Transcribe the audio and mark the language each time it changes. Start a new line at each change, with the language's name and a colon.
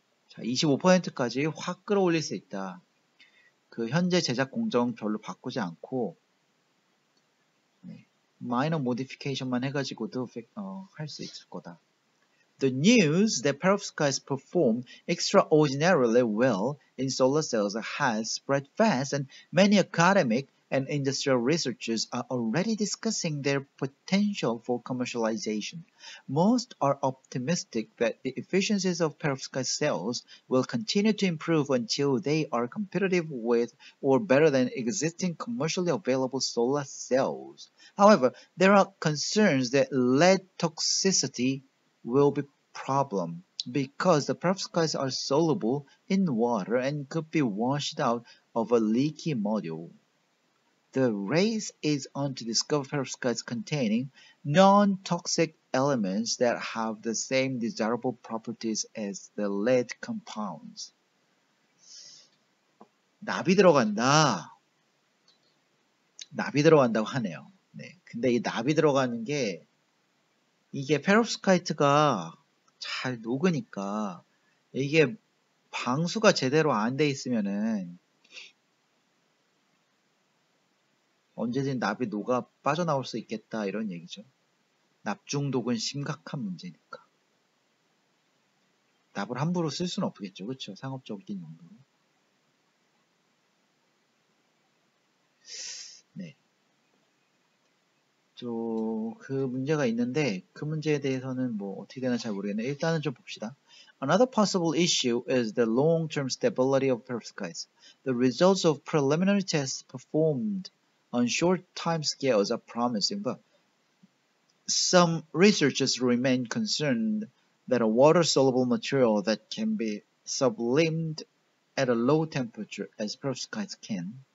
Korean: 25%까지 확 끌어올릴 수 있다. 그 현재 제작 공정 별로 바꾸지 않고 네.
English: minor modification
Korean: 만 해가지고도 할 수 있을 거다.
English: The news that perovskites perform extraordinarily well in solar cells has spread fast and many academic and industrial researchers are already discussing their potential for commercialization. Most are optimistic that the efficiencies of perovskite cells will continue to improve until they are competitive with or better than existing commercially available solar cells. However, there are concerns that lead toxicity will be a problem because the perovskites are soluble in water and could be washed out of a leaky module. The race is on to discover perovskites containing non-toxic elements that have the same desirable properties as the lead compounds.
Korean: 나비 들어간다. 나비 들어간다고 하네요. 네. 근데 이 나비 들어가는 게 이게 페롭스카이트가 잘 녹으니까 이게 방수가 제대로 안 돼 있으면은 언제든 납이 녹아 빠져나올 수 있겠다 이런 얘기죠. 납중독은 심각한 문제니까. 납을 함부로 쓸 수는 없겠죠. 그렇죠? 상업적인 용도로. 네. 그 문제가 있는데 그 문제에 대해서는 뭐 어떻게 되나 잘 모르겠네요. 일단은 좀 봅시다.
English: Another possible issue is the long-term stability of perovskites. The results of preliminary tests performed on short time scales are promising, but some researchers remain concerned that a water-soluble material that can be sublimed at a low temperature, as perovskites can,